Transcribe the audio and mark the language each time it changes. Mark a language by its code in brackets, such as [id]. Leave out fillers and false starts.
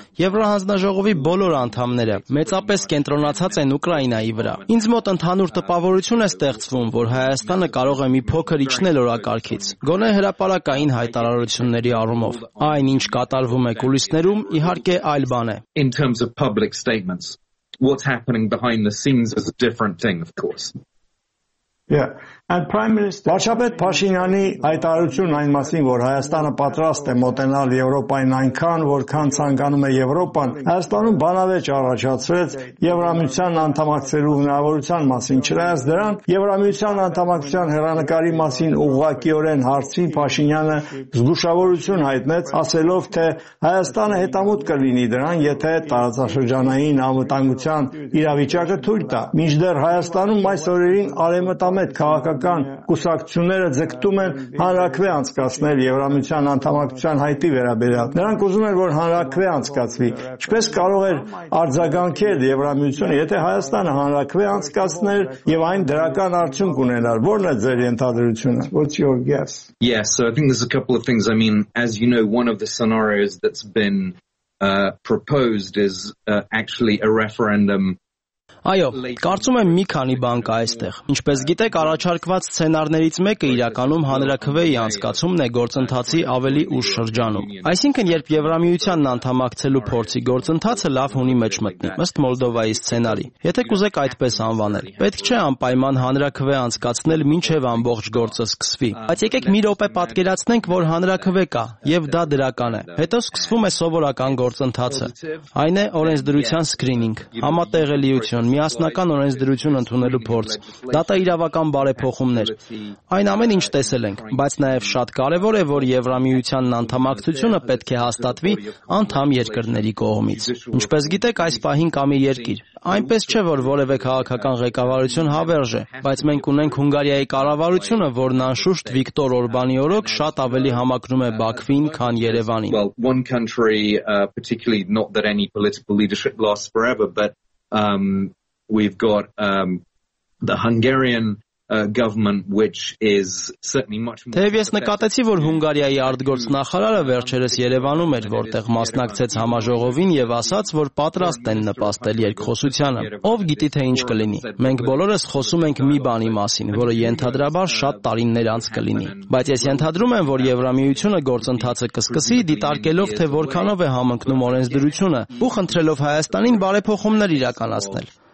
[hy] Եվրոհանձնաժողովի բոլոր անդամները մեծապես կենտրոնացած են Ուկրաինայի վրա։ Ինձ մոտ ընդհանուր տպավորություն է ստեղծվում, որ Հայաստանը կարող է մի փոքր իջնել օրակարգից, գոնե հրապարակային հայտարարությունների առումով։ Այն, ինչ կատարվում է կուլիսներում, իհարկե այլ բան է։ [en] In terms of public statements, what's happening behind the scenes is a different thing, of course. Yeah. And Prime Minister [hy] Varshapet Pashinyan-ի հայտարարությունն այն մասին, որ Հայաստանը պատրաստ է մոտենալ Եվրոպային այնքան, որքան ցանկանում է Եվրոպան, Հայաստանում բանավեճ առաջացրեց Եվրամիության անդամակցելու հնարավորության մասին։ Չնայած դրան, Եվրամիության անդամակցության հեռանկարի մասին ուղղակիորեն հարցին Փաշինյանը զգուշավորություն հայտնեց, ասելով, թե Հայաստանը հետամուտ կլինի դրան, եթե տարածաշրջանային անվտանգության իրավիճակը թույլ տա։ Մինչդեռ Հայաստանում այս օրերին արևմտամետ քաղաք հական կուսակցությունները ձգտում են հանրաքվե անցկացնել Եվրամիության անդամակցության հայտի վերաբերյալ։ Նրանք ուզում են, որ հանրաքվե անցկացվի։ Ինչպես կարող է արձագանքել Եվրամիությունը, եթե Հայաստանը հանրաքվե անցկացներ եւ այն դրական արդյունք ունենար։ Որն է ձեր ընդհանրությունը? [en] What's your guess? Yes, so I think there's a couple of things. I mean, as you know, one of the scenarios that's been proposed is actually a referendum. [hy] Այո, կարծում եմ մի քանի բան կա այստեղ։ Ինչպես գիտեք, առաջարկված սցենարներից մեկը իրականում հանրաքվեի անցկացումն է գործընթացի ավելի ուշ շրջանում։ Այսինքն, երբ Եվրամիությանն անդամակցելու փորձի գործընթացը լավ հունի մեջ մտնի, ըստ Մոլդովայի սցենարի, եթե կուզեք այդպես անվանել, պետք չէ անպայման հանրաքվե անցկացնել, մինչև ամբողջ գործը սկսվի։ Բայց եկեք մի րոպե պատկերացնենք, որ հանրաքվե կա եւ դա դրական է։ Հետո սկսվում է սովորական գործընթացը, այն է օրենսդրության սկրինինգ, համատեղելիություն, միասնական օրենսդրություն ընդունելու փորձ, դա տա իրավական բարեփոխումներ։ Այն ամեն ինչ տեսել ենք, բայց նաև շատ կարևոր է, որ Եվրամիությանն անդամակցությունը պետք է հաստատվի անդամ երկրների կողմից։ Ինչպես գիտեք, այս պահին կամի երկիր։ Այնպես չէ, որ որևէ քաղաքական ղեկավարություն հավերժ է, բայց մենք ունենք Հունգարիայի կառավարությունը, որն անշուշտ Վիկտոր Օրբանի օրոք շատ ավելի համակրում է Բաքվին, քան Երևանին։ [en] Particularly not that any political leadership lasts forever, but we've got the Hungarian government, which is certainly much more. [hy] Թեև նկատեցի, որ Հունգարիայի արտգործնախարարը վերջերս Երևանում էր, որտեղ մասնակցեց համաժողովին եւ ասաց, որ պատրաստ են նպաստել երկխոսությանը։ Ով գիտի, թե ինչ կլինի։ Մենք բոլորս խոսում ենք մի բանի մասին, որը ենթադրաբար շատ տարիներ անց կլինի, բայց ես ենթադրում եմ, որ Եվրամիությունը գործընթացը կսկսի դիտարկելով, թե որքանով է համընկնում օրենսդրությունը, ու խնդրելով Հայաստանին բարեփոխումներ իրականացնել,